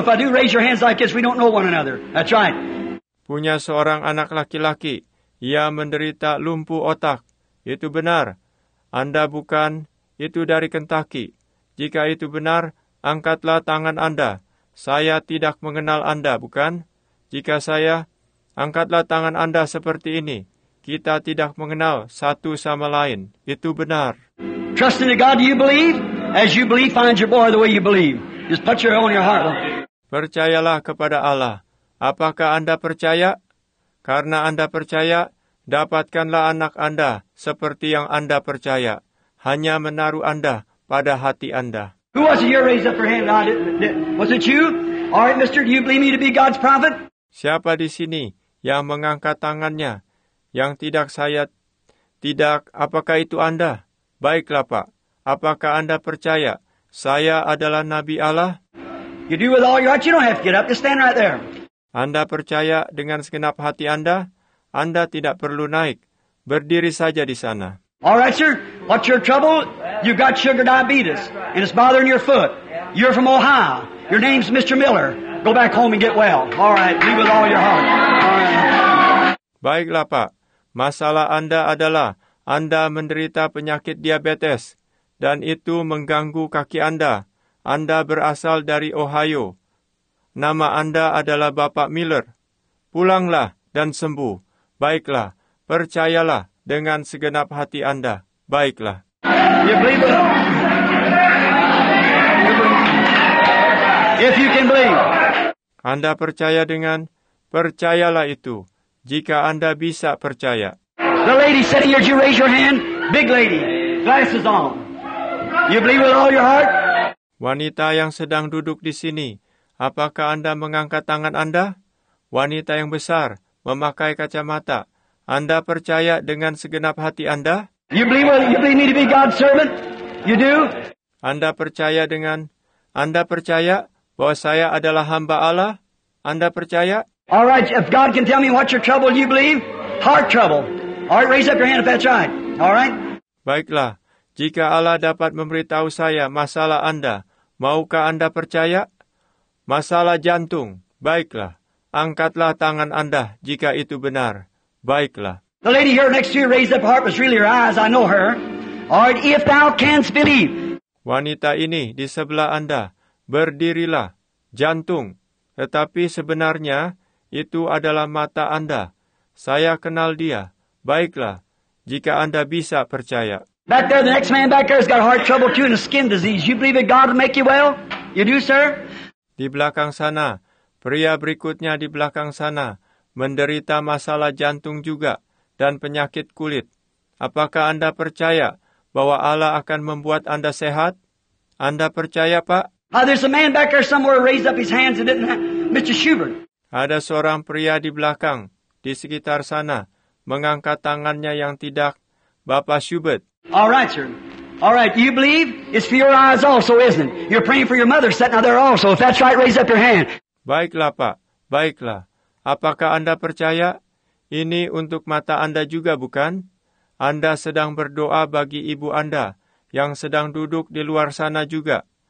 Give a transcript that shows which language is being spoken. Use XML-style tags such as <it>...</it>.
<en>If I do, raise your hands like this. We don't know one another. That's right.</en> <id>Punya seorang anak laki-laki. Ia menderita lumpuh otak. Itu benar. Anda bukan. Itu dari Kentucky. Jika itu benar, angkatlah tangan Anda. Saya tidak mengenal Anda, bukan? Jika saya, angkatlah tangan Anda seperti ini. Kita tidak mengenal satu sama lain. Itu benar.</id> <en>Trust in God, do you believe? As you believe, find your boy the way you believe. Just put your own your heart.</en> <id>Percayalah kepada Allah. Apakah Anda percaya? Karena Anda percaya, dapatkanlah anak Anda seperti yang Anda percaya. Hanya menaruh Anda pada hati Anda.</id> <en>Who was it here? Raise up your hand. Was it you? All right, mister, do you believe me to be God's prophet?</en> <id>Siapa di sini yang mengangkat tangannya? Yang tidak saya, tidak, apakah itu Anda? Baiklah, Pak. Apakah Anda percaya saya adalah Nabi Allah?</id> <en>You do with all your heart. You don't have to get up. Just stand right there.</en> <id>Anda percaya dengan segenap hati Anda? Anda tidak perlu naik. Berdiri saja di sana.</id> <en>All right, sir. What's your trouble? You've got sugar diabetes. And it's bothering your foot. You're from Ohio. Your name's Mr. Miller. Go back home and get well. All right. Do with all your heart. All right.</en> <id>Baiklah, Pak. Masalah Anda adalah Anda menderita penyakit diabetes dan itu mengganggu kaki Anda. Anda berasal dari Ohio. Nama Anda adalah Bapak Miller. Pulanglah dan sembuh. Baiklah. Percayalah dengan segenap hati Anda. Baiklah.</id> <en>You believe it? If you can believe.</en> <id>Anda percaya dengan percayalah itu. Jika Anda bisa percaya.</id> <en>The lady sitting here, you raise your hand. Big lady, glasses on. You believe with all your heart?</en> <id>Wanita yang sedang duduk di sini, apakah Anda mengangkat tangan Anda? Wanita yang besar, memakai kacamata, Anda percaya dengan segenap hati Anda?</id> <en>You believe me to be God's servant? You do?</en> <id>Anda percaya dengan Anda percaya bahwa saya adalah hamba Allah? Anda percaya?</id> <en>All right, if God can tell me what your trouble, you believe? Heart trouble. All right, raise up your hand if that's right. All right?</en> <id>Baiklah. Jika Allah dapat memberitahu saya masalah Anda, maukah Anda percaya? Masalah jantung. Baiklah. Angkatlah tangan Anda jika itu benar. Baiklah.</id> <en>The lady here next to you raised up her heart, was really her eyes. I know her. All right, if thou canst believe.</en> <id>Wanita ini di sebelah Anda, berdirilah. Jantung. Tetapi sebenarnya, itu adalah mata Anda. Saya kenal dia. Baiklah, jika Anda bisa percaya.</id> <en>Back there, the next man back there has got heart trouble too and a skin disease. You believe that God will make you well? You do, sir?</en> <id>Di belakang sana, pria berikutnya di belakang sana, menderita masalah jantung juga dan penyakit kulit. Apakah Anda percaya bahwa Allah akan membuat Anda sehat? Anda percaya, Pak?</id> <en>There's a man back there somewhere raised up his hands and didn't Mr. Schubert.</en> <id>Ada seorang pria di belakang, di sekitar sana, mengangkat tangannya yang tidak, Bapak Schubert.</id> <en>All right, sir. All right, you believe? It's for your eyes also, isn't it? You're praying for your mother sitting out there also. If that's right, raise up your hand.</en> <id>Baiklah, Pak. Baiklah. Apakah Anda percaya? Ini untuk mata Anda juga, bukan? Anda sedang berdoa bagi ibu Anda, yang sedang duduk di luar sana juga.</id>